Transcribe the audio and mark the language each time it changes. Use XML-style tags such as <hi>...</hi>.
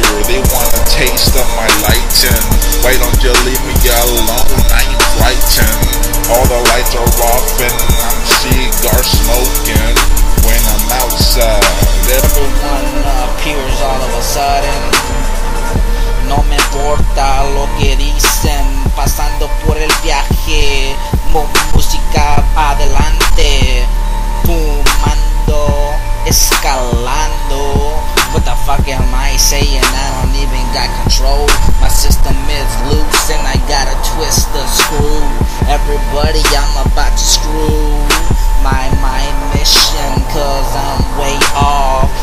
<en>They wanna taste of my light. Why don't you leave me alone? I ain't frightened. All the lights are off and I'm cigar smoking. When I'm outside, everyone appears all of a sudden.</en> <es>No me importa lo que dicen. Pasando por el viaje, música adelante. Fumando, escalando.</es> <en>What the fuck am I saying? I don't even got control. My system is loose and I gotta twist the screw. Everybody, I'm about to screw my mission, cause I'm way off.</en>